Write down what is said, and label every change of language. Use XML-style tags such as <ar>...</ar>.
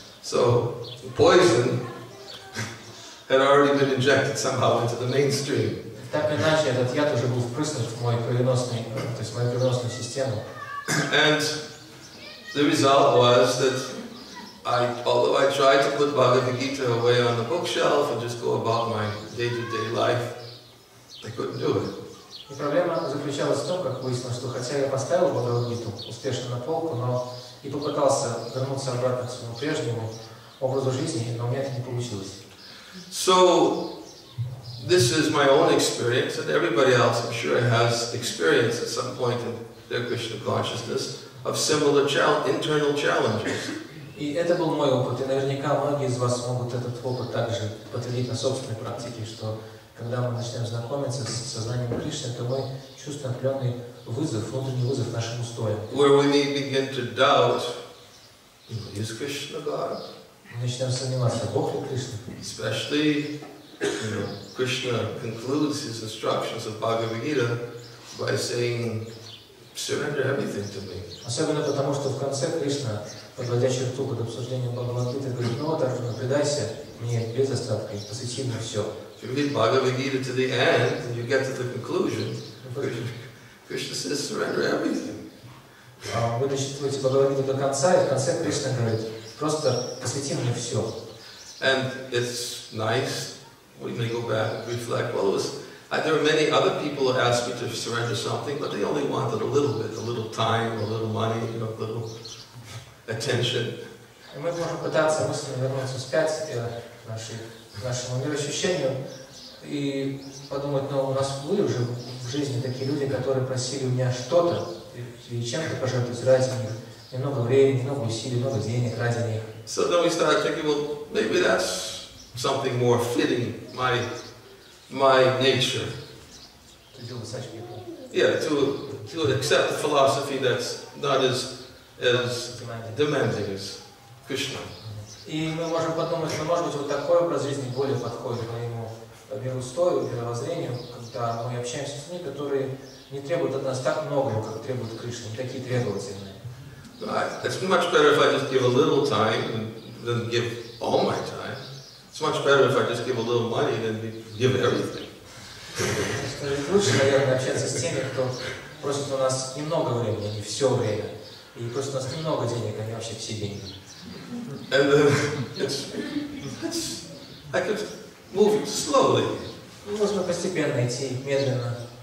<en>So, poison had already been injected somehow into the mainstream.</en> <ru>Так или иначе, этот яд уже был впрыснут в мою кровеносную, то есть в мою кровеносную систему.</ru> <en>And the result was that I, although I tried to put Bhagavad Gita away on the bookshelf and just go about my day-to-day life, I couldn't do it.</en> <ru>И проблема заключалась в том, как выяснилось, что хотя я поставил Бхагавад-гиту успешно на полку, но и попытался вернуться обратно к своему прежнему образу жизни, но у меня это не получилось.</ru> <en>So, this is my own experience, and everybody else, I'm sure, has experience at some point in their Krishna consciousness of similar internal challenges.</en> <ru>И это был мой опыт, и наверняка многие из вас могут этот опыт также подтвердить на собственной практике, что когда мы начнем знакомиться с сознанием Кришны, то мы чувствуем определенный вызов, внутренний вызов нашим устоям.</ru> <en>Where we may begin to doubt, is Krishna God?</en> <ru>Мы начнем сомневаться, Бог ли Кришна?</ru> <en>Especially, you know, Krishna concludes his instructions of Bhagavad Gita by saying, surrender everything to me.</en> <ru>Особенно потому, что в конце Кришна, подводя черту под обсуждением Бхагавад-гиты, говорит, ну вот, Арджуна, предайся мне без остатка и посвяти мне все.</ru> <en>If you read Bhagavad Gita to the end, and you get to the conclusion, Krishna says, surrender everything.</en> <ru>Вы дочитываете Бхагавад Гиту до конца, и в конце Кришна говорит, просто посвяти мне все.</ru> <en>And it's nice, we may go back and reflect, well, it was, there were many other people who asked me to surrender something, but they only wanted a little bit, a little time, a little money, you know, a little attention.</en> <ru>И мы можем пытаться мысленно вернуться вспять к нашему мироощущению и подумать, ну, у нас были уже в жизни такие люди, которые просили у меня что-то, и чем-то пожертвовать ради них, немного времени, много усилий, много денег ради них.</ru> <en>So then we started thinking, well, maybe that's something more fitting my nature. To deal with such people. Yeah, to accept a philosophy that's not as demanding as Krishna.</en> <ru>И мы можем подумать, что, может быть, вот такой образ жизни более подходит моему мироустрою, мировоззрению, когда мы общаемся с людьми, которые не требуют от нас так много, как требуют Кришны, не такие требовательные.</ru> <en>It's much better if I just give a little time than give all my time. It's much better if I just give a little money than give everything.</en> <ru>Лучше, наверное, общаться с теми, кто просит у нас немного времени, не все время. И просит у нас немного денег, а не вообще все деньги.</ru> <en>And I could move slowly.</en> <ru>Можно постепенно идти, медленно.</ru>